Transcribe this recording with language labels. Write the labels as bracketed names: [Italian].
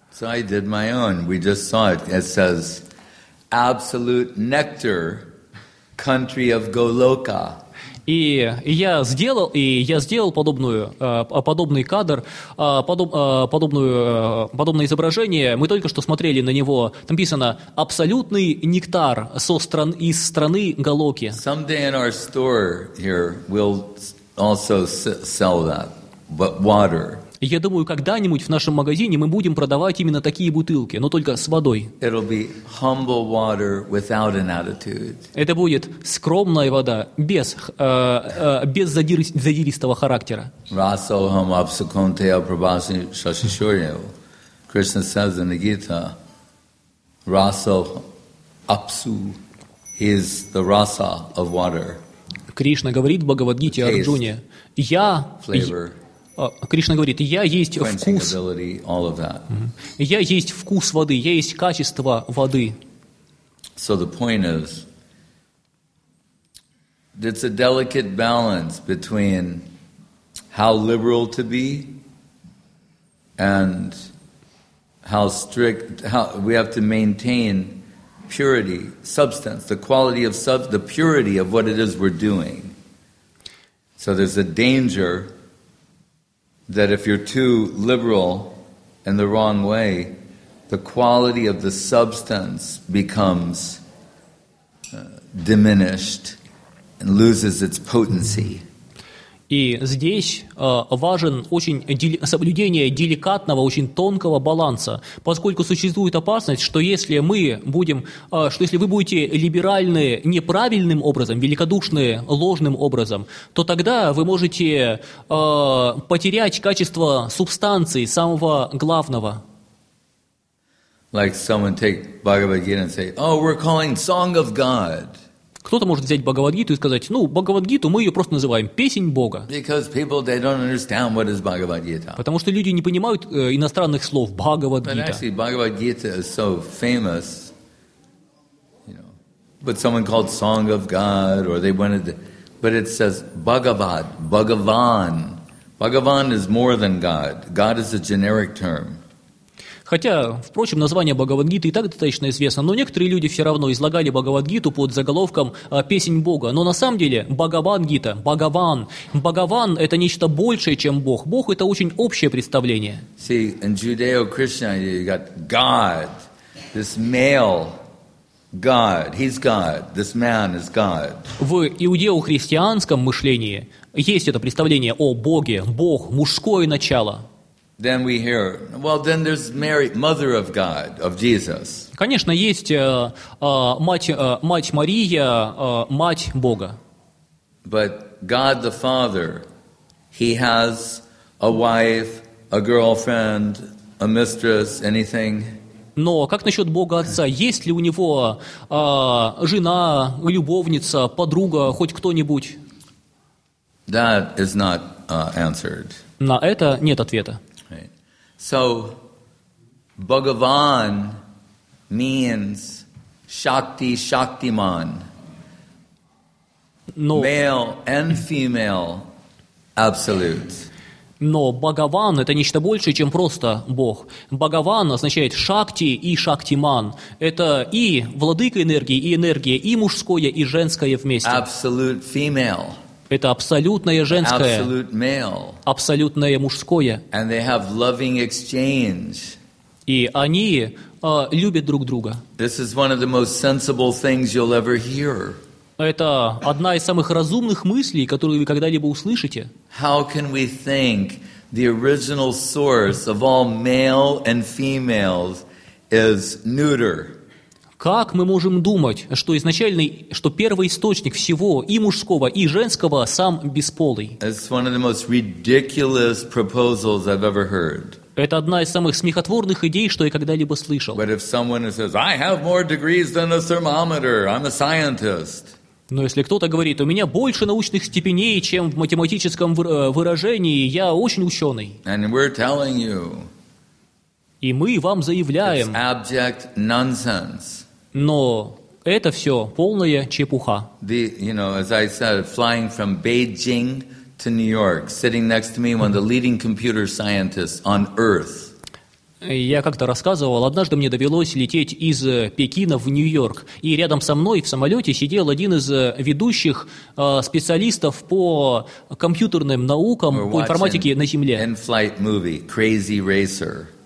[English] So I did my own. We just saw it. It says... Absolute nectar, country of Goloka. [Russian] И я сделал подобное изображение. Мы только что смотрели на него. Там написано «Абсолютный нектар из страны Голоки». [English] Someday in our store here we'll also sell that, but water. [Russian] Я думаю, когда-нибудь в нашем магазине мы будем продавать именно такие бутылки, но только с водой. [English] It'll be humble water without an attitude. [Russian] Это будет скромная вода без задиристого характера. Расоham абсаконте апрабаси шашишурья. [English] Krishna says in the Gita, [Sanskrit] Raso Apsu, [English] he is the rasa of water. [Russian] Кришна говорит в Бхагавадгите Арджуне: Я [English] flavor. [Russian] Кришна говорит, я есть вкус. [English] Ability, [Russian] я есть вкус воды, я есть качество воды. [English] So the point is, it's a delicate balance between how liberal to be and how strict, how we have to maintain purity, substance, the quality of the purity of what it is we're doing. So there's a danger that if you're too liberal in the wrong way, the quality of the substance becomes diminished and loses its potency. [Russian] И здесь важен очень соблюдение деликатного, очень тонкого баланса, поскольку существует опасность, что если мы будем, что если вы будете либеральны неправильным образом, великодушны ложным образом, то тогда вы можете потерять качество субстанции самого главного. [English] Like someone take Bhagavad Gita and say, "Oh, we're calling Song of God." [Russian] Кто-то может взять Бхагавад-гиту и сказать: "Ну, Бхагавад-гиту мы ее просто называем песнь Бога." [English] Because people they don't understand what is Bhagavad-gita. [Russian] Потому что люди не понимают иностранных слов Бхагавад-гита. [English] But actually, Bhagavad-gita is so famous, you know. But someone called Song of God, or they wanted, but it says Bhagavad, Bhagavan. Bhagavan is more than God. God is a generic term. [Russian] Хотя, впрочем, название Бхагавад-гиты и так достаточно известно, но некоторые люди все равно излагали Бхагавад-гиту под заголовком «Песнь Бога». Но на самом деле Бхагавад-гита, Бхагаван, Бхагаван – это нечто большее, чем Бог. Бог – это очень общее представление. [English] See, in Judeo-Christianity you got God, this male God, he's God, this man is God. [Russian] В иудео-христианском мышлении есть это представление о Боге, Бог, мужское начало. [English] Then we hear, well, then there's Mary, mother of God, of Jesus. [Russian] Конечно, есть мать Мария, мать Бога. [English] But God the Father, he has a wife, a girlfriend, a mistress, anything? [Russian] Но как насчет Бога Отца? Есть ли у него жена, любовница, подруга, хоть кто-нибудь? [English] That is not answered. [Russian] На это нет ответа. [English] So, Bhagavan means Shakti, Shaktiman, no. Male and female absolute. [Russian] Но Бхагаван – это нечто большее, чем просто Бог. Бхагаван означает Шакти и Шактиман. Это и владыка энергии, и энергия, и мужское, и женское вместе. [English] Absolute female. [Russian] Это абсолютное женское, [English] absolute male. [Russian] Абсолютное мужское. [English] And they have loving exchange. [Russian] И они любят друг друга. [English] This is one of the most sensible things you'll ever hear. [Russian] Это одна из самых разумных мыслей, которые вы когда-либо услышите. [English] How can we think the original source of all male and females is neuter? [Russian] Как мы можем думать, что изначальный, что первый источник всего и мужского, и женского сам бесполый? [English] It's one of the most ridiculous proposals I've ever heard. [Russian] Это одна из самых смехотворных идей, что я когда-либо слышал. [English] But if someone says, I have more degrees than a thermometer, I'm a scientist. [Russian] Но если кто-то говорит, у меня больше научных степеней, чем в математическом выражении, я очень ученый. [English] And we're telling you. [Russian] И мы вам заявляем. [English] It's abject nonsense. [Russian] Но это все полная чепуха. [English] The, you know, as I said, flying from Beijing to New York, sitting next to me, one of the leading computer scientists on Earth. [Russian] Я как-то рассказывал, однажды мне довелось лететь из Пекина в Нью-Йорк, и рядом со мной в самолете сидел один из ведущих специалистов по компьютерным наукам, по информатике на Земле. [English] In-flight movie, Crazy Racer.